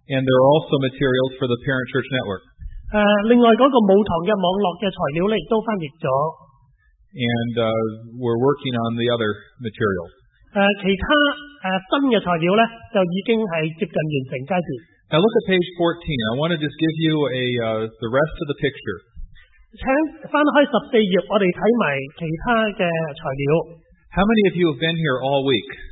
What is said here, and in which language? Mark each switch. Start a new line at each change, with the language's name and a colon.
English: And there are also materials for the Parent Church Network.
Cantonese: 另外嗰个母堂嘅网络嘅材料咧，亦都翻译咗。
English: And we're working on the other materials.
Cantonese: 其他新嘅材料咧，就已经系接近完成阶段。
English: Now look at page 14. I want to just give you the rest of the picture.
Cantonese: 请翻开十四页，我哋睇埋其他嘅材料。
English: How many of you have been here all week?